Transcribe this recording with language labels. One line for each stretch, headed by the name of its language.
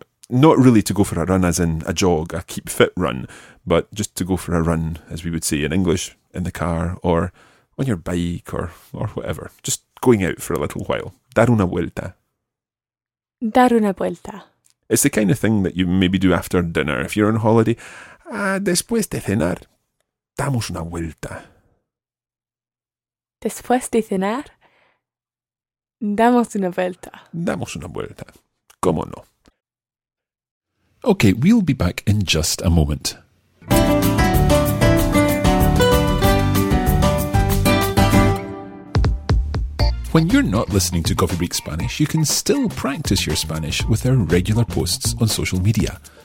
English: Not really to go for a run as in a jog, a keep fit run, but just to go for a run, as we would say in English, in the car or on your bike or whatever. Just going out for a little while.
Spanish: Dar una vuelta. Dar una vuelta.
English: It's the kind of thing that you maybe do after dinner if you're on holiday.
Spanish: Ah, después de cenar, damos una vuelta. Después de cenar, damos una vuelta. Damos una vuelta. ¿Cómo no?
English: Okay, we'll be back in just a moment. When you're not listening to Coffee Break Spanish, you can still practice your Spanish with our regular posts on social media.